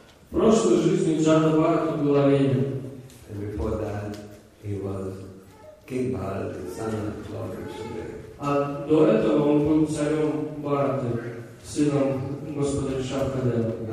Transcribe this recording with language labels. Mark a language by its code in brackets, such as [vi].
[ru] Прошлой жизни Джада Бхарата был оленем. [en] And before that, he was King Bharat, the son of Lord Krishna. [ru] А до этого он был царем Бхараты, сыном Господа Ришабхадева.